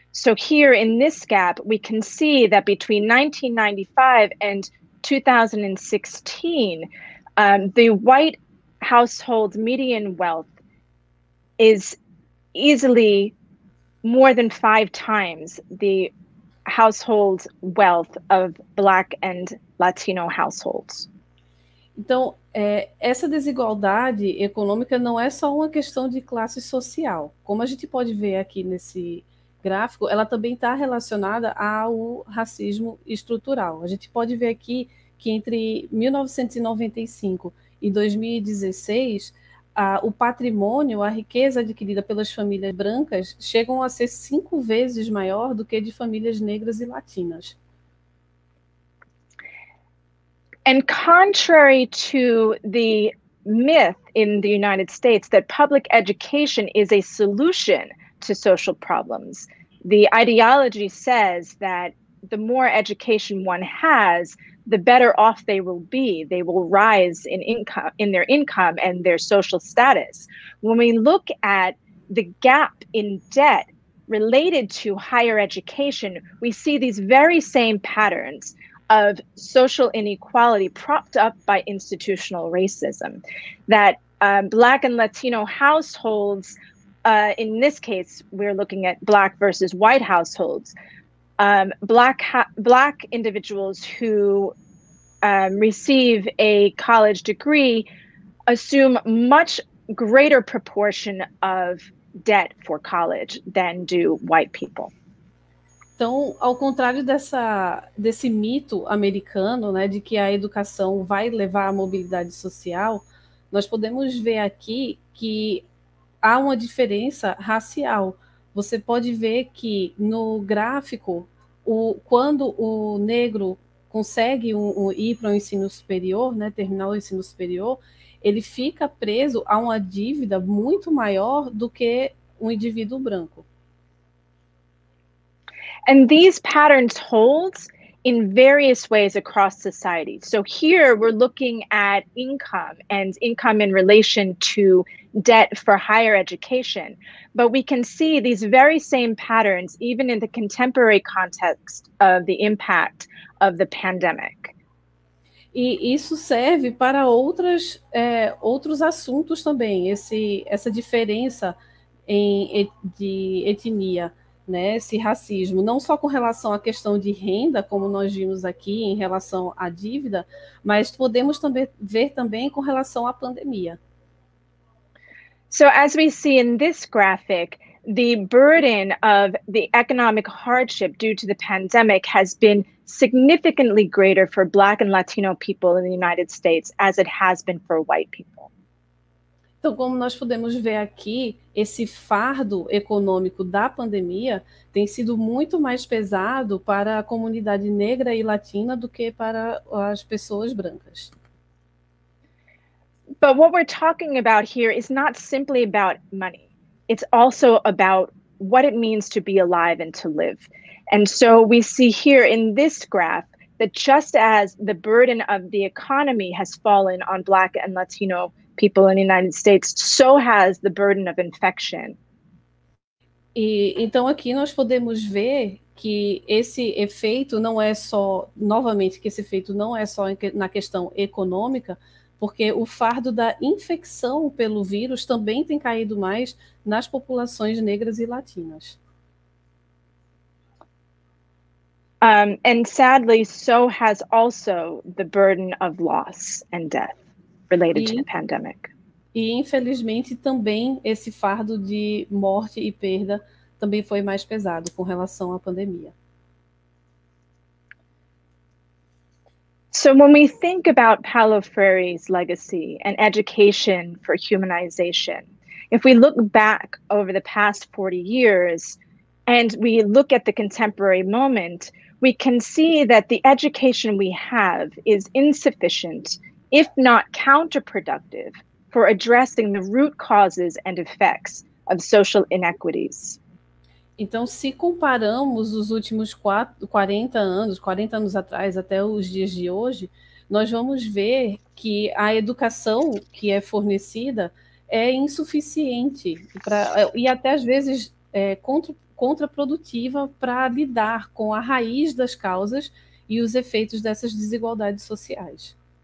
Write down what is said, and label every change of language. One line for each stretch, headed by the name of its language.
English: So here in this gap, we can see that between 1995 and 2016, the white household median wealth is easily more than five times the household wealth of Black and Latino households.
Portuguese: Então, essa desigualdade econômica não é só uma questão de classe social. Como a gente pode ver aqui nesse gráfico, ela também está relacionada ao racismo estrutural. A gente pode ver aqui que entre 1995 e 2016, o patrimônio, a riqueza adquirida pelas famílias brancas chegam a ser cinco vezes maior do que de famílias negras e latinas.
English: And contrary to the myth in the United States that public education is a solution to social problems, the ideology says that the more education one has, the better off they will be. They will rise in income, in their income and their social status. When we look at the gap in debt related to higher education, we see these very same patterns of social inequality propped up by institutional racism, that Black and Latino households, in this case, we're looking at Black versus white households, Black individuals who receive a college degree assume much greater proportion of debt for college than do white people.
Portuguese: Então, ao contrário desse mito americano, né, de que a educação vai levar à mobilidade social, nós podemos ver aqui que há uma diferença racial. Você pode ver que no gráfico, quando o negro consegue ir para o ensino superior, né, terminar o ensino superior, ele fica preso a uma dívida muito maior do que um indivíduo branco.
English: And these patterns hold in various ways across society. So here we're looking at income and income in relation to debt for higher education. But we can see these very same patterns even in the contemporary context of the impact of the pandemic.
Portuguese: E isso serve para outras, outros assuntos também, essa diferença de etnia, né? Esse racismo, não só com relação à questão de renda, como nós vimos aqui em relação à dívida, mas podemos também ver também com relação à pandemia.
English: So as we see in this graphic, the burden of the economic hardship due to the pandemic has been significantly greater for Black and Latino people in the United States as it has been for white people.
Portuguese: Então, como nós podemos ver aqui, esse fardo econômico da pandemia tem sido muito mais pesado para a comunidade negra e latina do que para as pessoas brancas.
English: But what we're talking about here is not simply about money. It's also about what it means to be alive and to live. And so we see here in this graph that just as the burden of the economy has fallen on Black and Latino people in the United States, so has the burden of infection.
Portuguese: E então aqui nós podemos ver que esse efeito não é só, novamente, que esse efeito não é só na questão econômica, porque o fardo da infecção pelo vírus também tem caído mais nas populações negras e latinas.
English: And sadly, so has also the burden of loss and death related to the pandemic.
Portuguese: E infelizmente também esse fardo de morte e perda também foi mais pesado com relação à pandemia.
English: So when we think about Paulo Freire's legacy and education for humanization, if we look back over the past 40 years and we look at the contemporary moment, we can see that the education we have is insufficient, if not counterproductive, for addressing the root causes and effects of social inequities.
Portuguese: Então, se comparamos os últimos 40 anos atrás até os dias de hoje, nós vamos ver que a educação que é fornecida é insuficiente e até às vezes contraprodutiva para lidar com a raiz das causas e os efeitos dessas desigualdades sociais.